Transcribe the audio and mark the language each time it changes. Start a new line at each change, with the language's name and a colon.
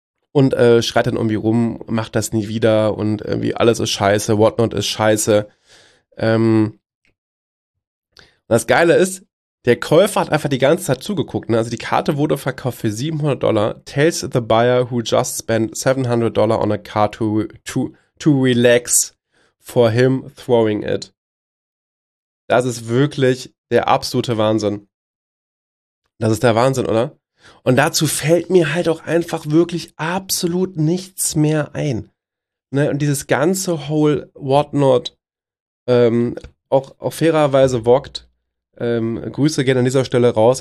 German: Und schreit dann irgendwie rum, macht das nie wieder und irgendwie alles ist scheiße, Whatnot ist scheiße. Das Geile ist, der Käufer hat einfach die ganze Zeit zugeguckt. Ne? Also die Karte wurde verkauft für 700 Dollar.
English: Tells the buyer who just spent 700 Dollar on a car to relax for him throwing it.
German: Das ist wirklich der absolute Wahnsinn. Das ist der Wahnsinn, oder? Und dazu fällt mir halt auch einfach wirklich absolut nichts mehr ein. Ne, und dieses ganze Whole Whatnot, auch fairerweise Wogt, Grüße gerne an dieser Stelle raus.